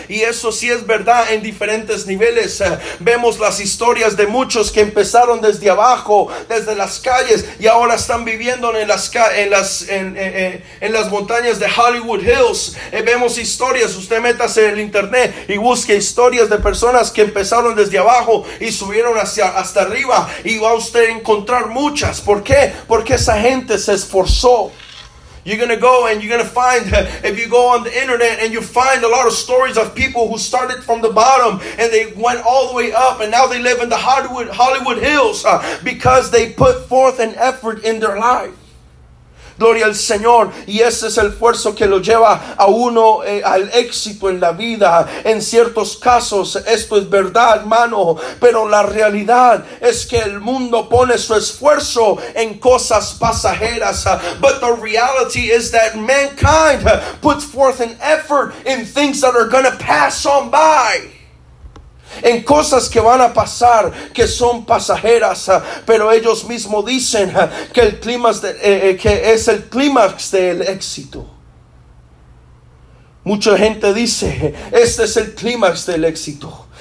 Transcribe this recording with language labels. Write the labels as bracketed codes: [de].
[es] Y eso sí es verdad en diferentes niveles. Vemos las historias de muchos que empezaron desde abajo, desde las calles, y ahora están viviendo en las montañas de Hollywood Hills. Vemos historias. Usted métase en el internet y busque historias de personas que empezaron desde abajo y subieron hasta arriba. Y va usted en encontrar muchas. ¿Por qué? Porque esa gente se esforzó. [en] You're going to go and you're going to find, if you go on the internet and you find a lot of stories of people who started from the bottom and they went all the way up and now they live in the Hollywood Hills because they put forth an effort in their life. [es] Gloria al Señor, y ese es el esfuerzo que lo lleva a uno al éxito en la vida. En ciertos casos, esto es verdad, hermano, pero la realidad es que el mundo pone su esfuerzo en cosas pasajeras. [en] But the reality is that mankind puts forth an effort in things that are going to pass on by. [es] En cosas que van a pasar, que son pasajeras, pero ellos mismos dicen que el clima que es el clímax del éxito. Mucha gente dice, este es el clímax del éxito.